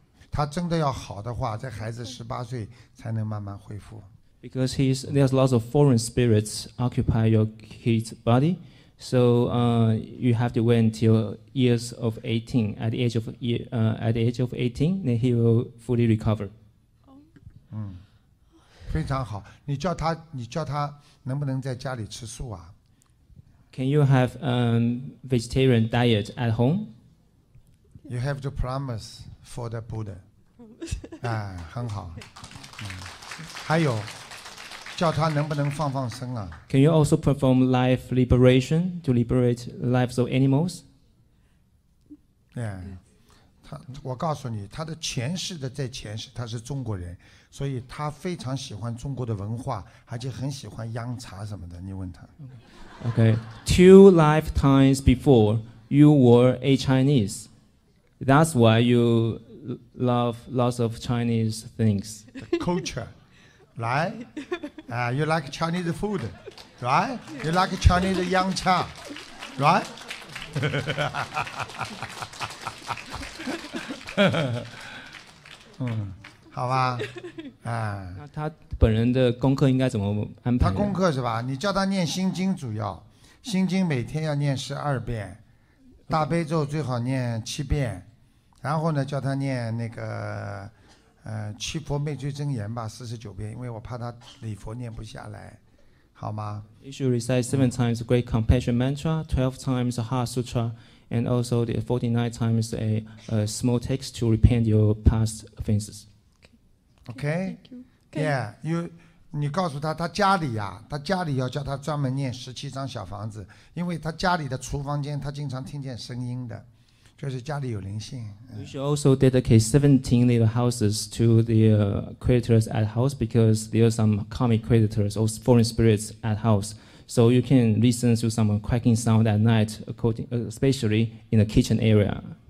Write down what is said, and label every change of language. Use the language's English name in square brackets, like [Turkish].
[Chinese] 他真的要好的话，这孩子18岁才能慢慢恢复。 [English] Because there's lots of foreign spirits occupy your kid's body, so you have to wait until years of 18. At the age of 18, then he will fully recover. [Chinese] 非常好。你叫他能不能在家里吃素啊？ [English] Can you have a vegetarian diet at home? You have to promise for the Buddha. [Chinese] 很好。还有，叫他能不能放放生啊？ [English] Can you also perform life liberation to liberate lives of animals? Yeah. [Chinese] 我告诉你，他的前世的在前世他是中国人，所以他非常喜欢中国的文化，而且很喜欢洋茶什么的。你问他。 [English] Okay, two lifetimes before you were a Chinese, that's why you love lots of Chinese things. Culture, right? You like Chinese food, right? You like Chinese 洋茶, right? [Chinese] 好吧，那他本人的功课应该怎么安排？他功课是吧？你叫他念心经主要，心经每天要念十二遍，大悲咒最好念七遍，然后呢叫他念那个七佛灭罪真言吧，四十九遍，因为我怕他礼佛念不下来，好吗？ [English] You should recite seven times Great Compassion Mantra, 12 times Heart Sutra, and also the 49 times a small text to repent your past offenses. Okay. Okay. Yeah. You. [Chinese] 你告诉他，他家里呀、啊，他家里要叫他专门念十七张小房子，因为他家里的厨房间，他经常听见声音的。就是家里有灵性。 [English] We should also dedicate 17 little houses to the creditors at house because there are some karmic creditors or foreign spirits at house. So you can listen to some cracking sound at night, according, especially in the kitchen area.